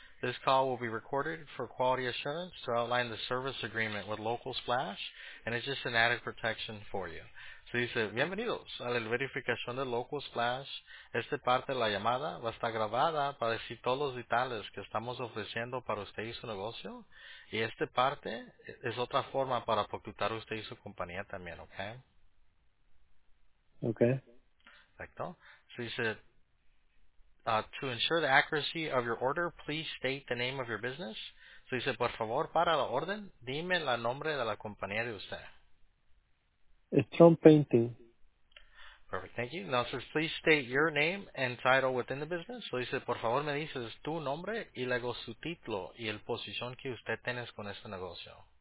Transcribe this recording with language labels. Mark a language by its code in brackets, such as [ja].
[en] This call will be recorded for quality assurance to outline the service agreement with Local Splash, and it's just an added protection for you. So he said, [es] bienvenidos a la verificación de Local Splash. Esta parte de la llamada va a estar grabada para decir todos los detalles que estamos ofreciendo para usted y su negocio. Y esta parte es otra forma para facturar usted y su compañía también, ¿ok? [en] Okay. [es] Perfecto. [en] So he said, to ensure the accuracy of your order, please state the name of your business. So [es] dice, por favor, para la orden, dime el nombre de la compañía de usted. [en] Strong Painting. Perfect, thank you. Now, says, please state your name and title within the business. So dice, por favor, me dices tu nombre y luego su título y el posición que usted tiene con este negocio.